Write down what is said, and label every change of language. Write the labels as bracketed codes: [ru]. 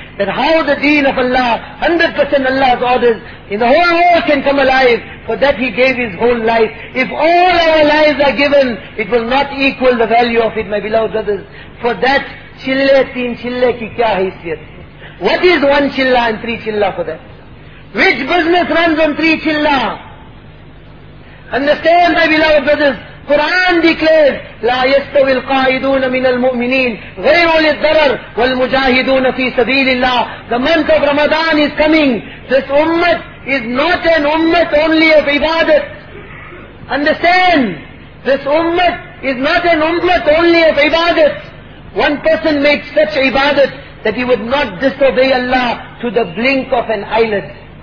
[en] That how the deen of Allah, 100% Allah's orders, in the whole world can come alive, for that he gave his whole life. If all our lives are given, it will not equal the value of it, my beloved brothers. For that, [ur] chille teen chille ki kya haisiyat? [en] What is one chilla and three chilla for that? Which business runs on three chilla? Understand, my beloved brothers, Quran declares, [ar] لا يستوي القاعدون من المؤمنين غير أولي الضرر والمجاهدون في سبيل الله. [en] The month of Ramadan is coming. This ummah is not an ummah only of ibadat. Understand, this ummah is not an ummah only of ibadat. One person makes such ibadat that he would not disobey Allah to the blink of an eyelid.